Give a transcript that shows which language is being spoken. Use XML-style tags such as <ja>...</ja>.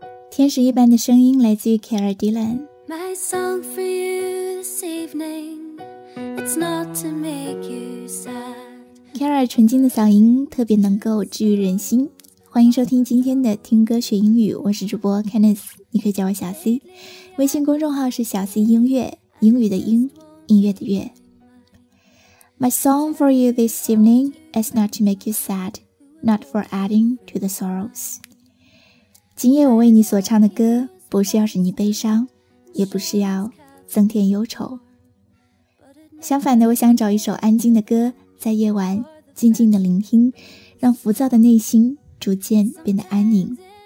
<zh>天使一般的声音来自于 Kara Dillon。</zh> <en>My song for you this evening, it's not to make you sad。</en> <zh>Kara 纯净的嗓音特别能够治愈人心，欢迎收听今天的听歌学英语，我是主播 Kenneth， 你可以叫我小 C， 微信公众号是小 C 音乐，英语的英，音乐的乐。</zh> <en>My song for you this evening is not to make you sad, not for adding to the sorrows。</en> <zh>今夜我为你所唱的歌，不是要使你悲伤，也不是要增添忧愁。相反的，我想找一首安静的歌，在夜晚静静的聆听，让浮躁的内心逐渐变得安宁。</zh>